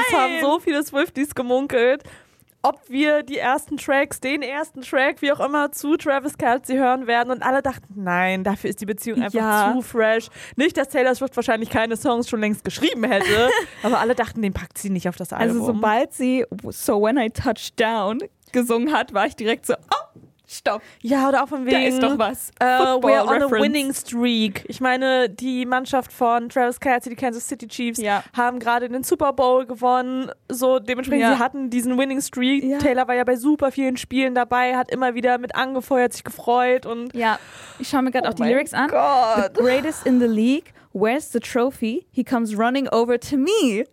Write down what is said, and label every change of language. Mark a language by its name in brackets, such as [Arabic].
[German] Es haben so viele Swifties gemunkelt, ob wir den ersten Track, wie auch immer, zu Travis Kelce hören werden. Und alle dachten, nein, dafür ist die Beziehung einfach zu fresh. Nicht, dass Taylor Swift wahrscheinlich keine Songs schon längst geschrieben hätte, aber alle dachten, den packt sie nicht auf das Album. Also sobald sie [English] So When I Touch Down [German] gesungen hat, war ich direkt so, oh! Stopp. Ja, oder auch von wegen, da ist doch was. [English] We're on a winning streak. [German] Ich meine, die Mannschaft von Travis Kelce, die Kansas City Chiefs, haben gerade den Super Bowl gewonnen. So dementsprechend, sie hatten diesen winning streak. Ja. Taylor war ja bei super vielen Spielen dabei, hat immer wieder mit angefeuert, sich gefreut. Und ich schaue mir gerade auch die Lyrics an. [English] God. The greatest in the league, where's the trophy? He comes running over to me.